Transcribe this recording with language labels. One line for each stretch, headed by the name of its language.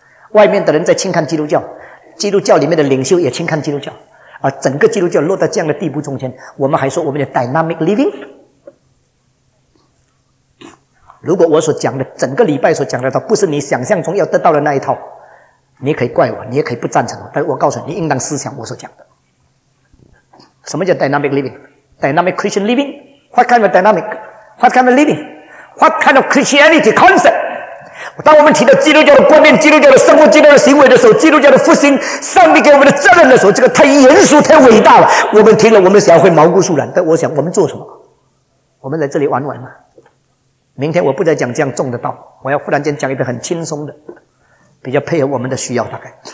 Chinese: 外面的人在轻看基督教，基督教里面的领袖也轻看基督教，而整个基督教落到这样的地步中间，我们还说我们的 dynamic living。如果我所讲的整个礼拜所讲的都不是你想象中要得到的那一套，你可以怪我，你也可以不赞成我，但我告诉你，你应当思想我所讲的。什么叫
English: dynamic living? Dynamic Christian living? What kind of dynamic? What kind of living? What kind of Christianity concept?
Chinese: 当我们提到基督教的观念、基督教的生活、基督教的行为的时候，基督教的复兴、上帝给我们的责任的时候，这个太严肃太伟大了，我们听了我们想会毛骨悚然。但我想我们做什么？我们来这里玩玩吗？明天我不再讲这样重的道，我要忽然间讲一个很轻松的，比较配合我们的需要大概。